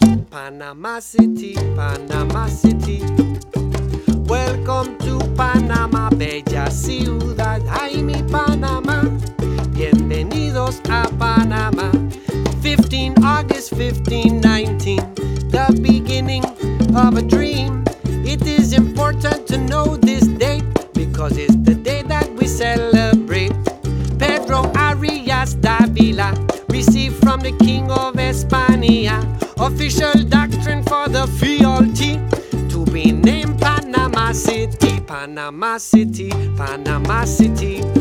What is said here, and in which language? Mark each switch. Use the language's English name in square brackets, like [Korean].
[English] Panama City, Panama City. Welcome to Panama, bella ciudad. [Spanish] Ay, mi Panama. Bienvenidos a Panama. [English] 15 August 1519, the beginning of a dream. It is important to know this date because it's the day that we celebrate. Pedro Arias Davila received from the King of Espania official doctrine for the fealty to be named Panama City, Panama City, Panama City.